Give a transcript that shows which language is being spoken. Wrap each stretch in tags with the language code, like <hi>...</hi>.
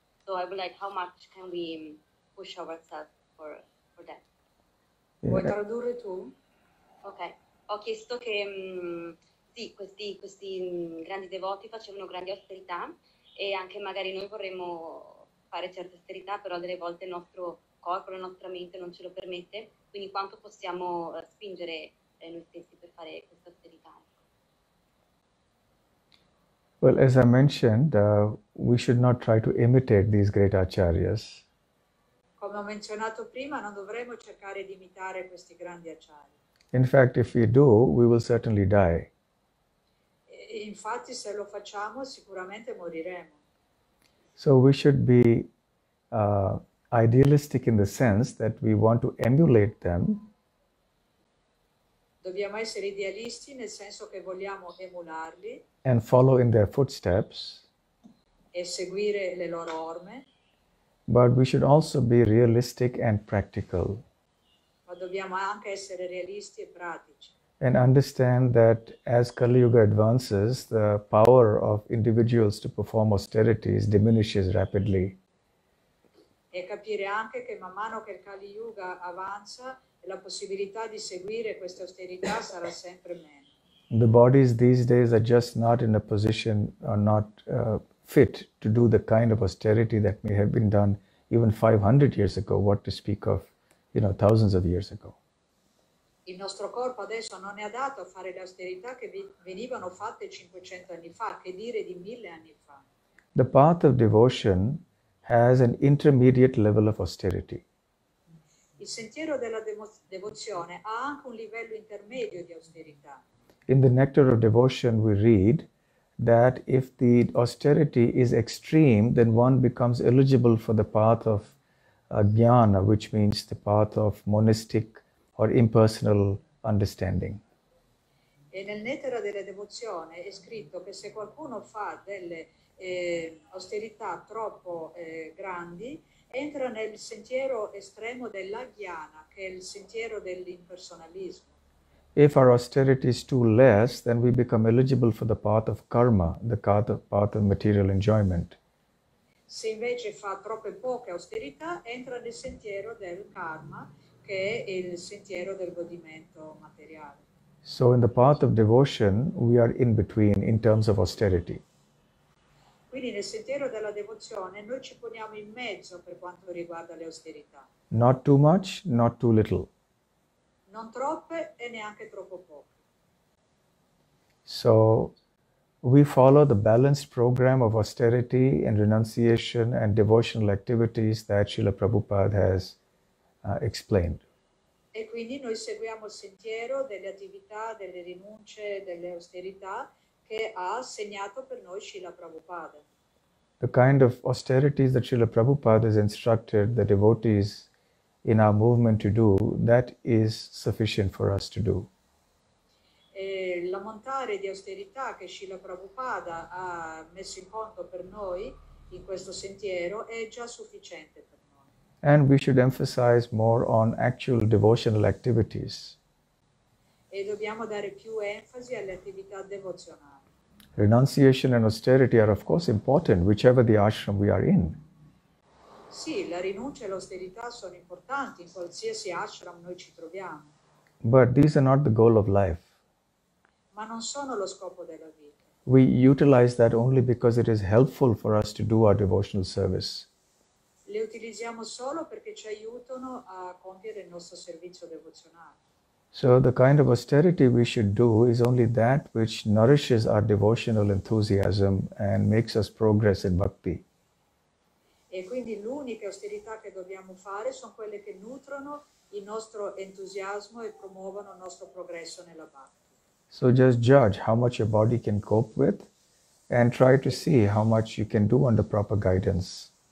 <en>So I would like, how much can we push ourselves for that?</en> <it>Vuoi tradurre tu?</it> <en>Okay.</en> <it>Ho chiesto che sì, questi grandi devoti facevano grandi austerità e anche magari noi vorremmo fare certe austerità, però delle volte il nostro corpo, la nostra mente non ce lo permette. Quindi quanto possiamo spingere noi stessi per fare questa austerità?</it> <en>Well, as I mentioned, we should not try to imitate these great acharyas.</en> <it>Come ho menzionato prima, non dovremmo cercare di imitare questi grandi acciari.</it> <en>In fact, if we do, we will certainly die.</en> <it>E infatti, se lo facciamo, sicuramente moriremo.</it> <en>So we should be idealistic in the sense that we want to emulate them.</en> <it>Dobbiamo essere idealisti nel senso che vogliamo emularli.</it> <en>And follow in their footsteps.</en> <it>E seguire le loro orme.</it> <en>But we should also be realistic and practical.</en> <it>Ma dobbiamo anche essere realisti e pratici.</it> <en>And understand that as Kali Yuga advances, the power of individuals to perform austerities diminishes rapidly.</en> <it>E capire anche che man mano che il Kali Yuga avanza, la possibilità di seguire questa austerità sarà sempre meno.</it> <en>The bodies these days are just not in a position or not fit to do the kind of austerity that may have been done even 500 years ago, what to speak of, thousands of years ago.</en> <it>Il nostro corpo adesso non è adatto a fare le austerità che venivano fatte 500 anni fa, che dire di 1000 anni fa.</it> <en>The path of devotion has an intermediate level of austerity.</en> <it>Il sentiero della devozione ha anche un livello intermedio di austerità.</it> <en>In the Nectar of Devotion we read that if the austerity is extreme, then one becomes eligible for the path of jnana, which means the path of monistic or impersonal understanding.</en> <it>E nel Nettaro della Devozione è scritto che se qualcuno fa delle austerità troppo grandi, entra nel sentiero estremo della jnana, che è il sentiero dell'impersonalismo.</it> <en>If our austerity is too less, then we become eligible for the path of karma, the path of material enjoyment.</en> <it>Se invece fa troppe poche austerità, entra nel sentiero del karma, che è il sentiero del godimento materiale.</it> <en>So in the path of devotion, we are in between in terms of austerity.</en> <it>Quindi nel sentiero della devozione noi ci poniamo in mezzo per quanto riguarda le austerità.</it> <en>Not too much, not too little.</en> <it>Non troppe e neanche troppo poche.</it> <en>So, we follow the balanced program of austerity and renunciation and devotional activities that Srila Prabhupada has explained.</en> <it>E quindi noi seguiamo il sentiero delle attività, delle rinunce, delle austerità che ha segnato per noi Srila Prabhupada.</it> <en>The kind of austerities that Srila Prabhupada has instructed the devotees in our movement to do, that is sufficient for us to do.</en> <it>L'ammontare di austerità che Srila Prabhupada ha messo in conto per noi in questo sentiero è già sufficiente per noi.</it> <en>And we should emphasize more on actual devotional activities.</en> <it>E dobbiamo dare più enfasi alle attività devozionali.</it> <en>Renunciation and austerity are of course important, whichever the ashram we are in.</en> <it>Sì, la rinuncia e l'austerità sono importanti in qualsiasi ashram noi ci troviamo.</it> <en>But these are not the goal of life.</en> <it>Ma non sono lo scopo della vita.</it> <en>We utilize that only because it is helpful for us to do our devotional service.</en> <it>Le utilizziamo solo perché ci aiutano a compiere il nostro servizio devozionale.</it> <en>So the kind of austerity we should do is only that which nourishes our devotional enthusiasm and makes us progress in bhakti.</en> <it>E quindi l'unica austerità che dobbiamo fare sono quelle che nutrono il nostro entusiasmo e promuovono il nostro progresso nella bhakti.</it> <en>So just judge how much your body can cope with and try to see how much you can do under proper guidance.</en>